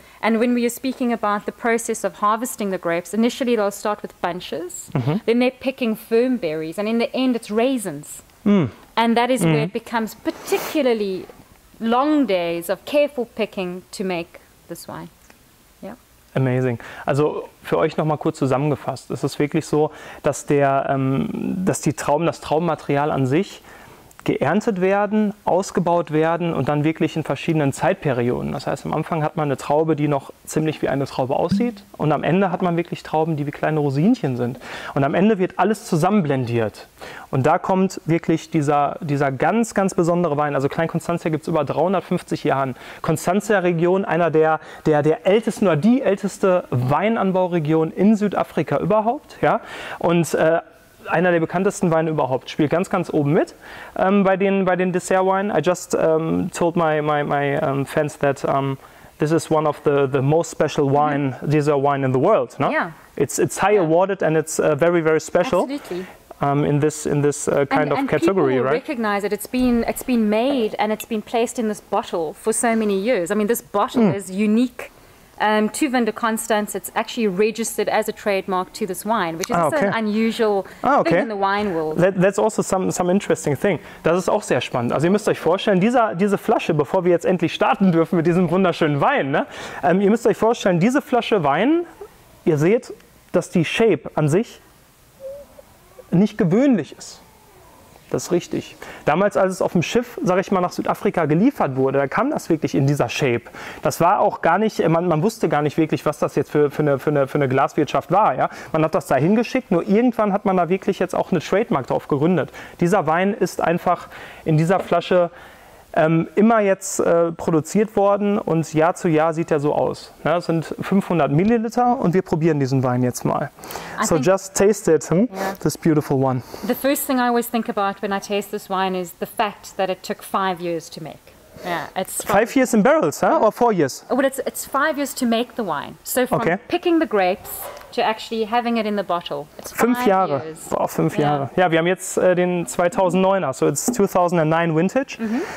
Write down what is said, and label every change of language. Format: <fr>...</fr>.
<en>And when we are speaking about the process of harvesting the grapes, initially they'll start with bunches, then they're picking firm berries, and in the end it's raisins. And that is where it becomes particularly long days of careful picking to make this wine. Amazing.</en> <de>Also für euch nochmal kurz zusammengefasst. Es ist wirklich so, dass das Traubenmaterial an sich geerntet werden, ausgebaut werden und dann wirklich in verschiedenen Zeitperioden. Das heißt, am Anfang hat man eine Traube, die noch ziemlich wie eine Traube aussieht und am Ende hat man wirklich Trauben, die wie kleine Rosinchen sind. Und am Ende wird alles zusammenblendiert. Und da kommt wirklich dieser ganz, ganz besondere Wein. Also Klein Constantia gibt es über 350 Jahren. Constantia-Region, einer der ältesten oder die älteste Weinanbauregion in Südafrika überhaupt. Ja? Und einer der bekanntesten Weine überhaupt, spielt ganz, ganz oben mit bei den Dessertweinen.</de> <en>I just told my fans that this is one of the most special wine, dessert wine in the world. No? Yeah. It's high awarded and it's very, very special. Absolutely. In this kind of category, right? And people recognize it. It's been made and it's been placed in this bottle for so many years. I mean, this bottle is unique to Winde Constance. It's actually registered as a trademark to this wine, which is an unusual thing in the wine world. That's also some interesting thing.</en> <de>Das ist auch sehr spannend. Also ihr müsst euch vorstellen, diese Flasche, bevor wir jetzt endlich starten dürfen mit diesem wunderschönen Wein, ne? Ihr müsst euch vorstellen, diese Flasche Wein, ihr seht, dass die Shape an sich nicht gewöhnlich ist. Das ist richtig. Damals, als es auf dem Schiff, sag ich mal, nach Südafrika geliefert wurde, da kam das wirklich in dieser Shape. Das war auch gar nicht, man wusste gar nicht wirklich, was das jetzt für eine Glaswirtschaft war. Ja? Man hat das da hingeschickt, nur irgendwann hat man da wirklich jetzt auch eine Trademark drauf gegründet. Dieser Wein ist einfach in dieser Flasche immer jetzt produziert worden und Jahr zu Jahr sieht er so aus. Ja, das sind 500 Milliliter und wir probieren diesen Wein jetzt mal.</de> <en>So just taste it, this beautiful one. The first thing I always think about when I taste this wine is the fact that it took 5 years to make. Yeah, it's 5 years in barrels, huh? Or 4 years? Well, it's 5 years to make the wine. So from picking the grapes to actually having it in the bottle, it's</en> <de>5 Jahre.</de> <en>Years. Oh,</en> <de>5 Jahre.</de> <en>Yeah,</en> <de>wir haben jetzt den 2009er,</de> <en>so it's 2009 vintage.</en> <de>Mm-hmm.</de>